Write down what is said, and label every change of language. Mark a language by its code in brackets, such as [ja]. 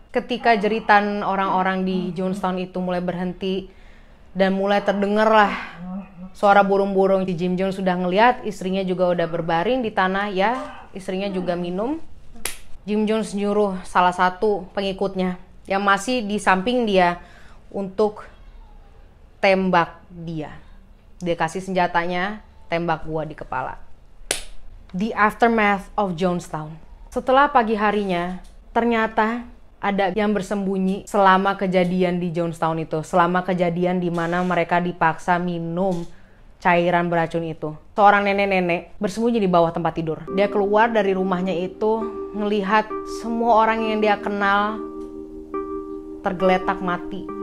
[id] Ketika jeritan orang-orang di Jonestown itu mulai berhenti dan mulai terdengar lah suara burung-burung, si Jim Jones sudah ngeliat istrinya juga udah berbaring di tanah, ya istrinya juga minum. Jim Jones nyuruh salah satu pengikutnya yang masih di samping dia untuk tembak dia. Dia kasih senjatanya, tembak gua di kepala. [en] The aftermath of Jonestown. [id] Setelah pagi harinya, ternyata ada yang bersembunyi selama kejadian di Jonestown itu. Selama kejadian di mana mereka dipaksa minum cairan beracun itu. Seorang nenek-nenek bersembunyi di bawah tempat tidur. Dia keluar dari rumahnya itu, ngelihat semua orang yang dia kenal tergeletak mati.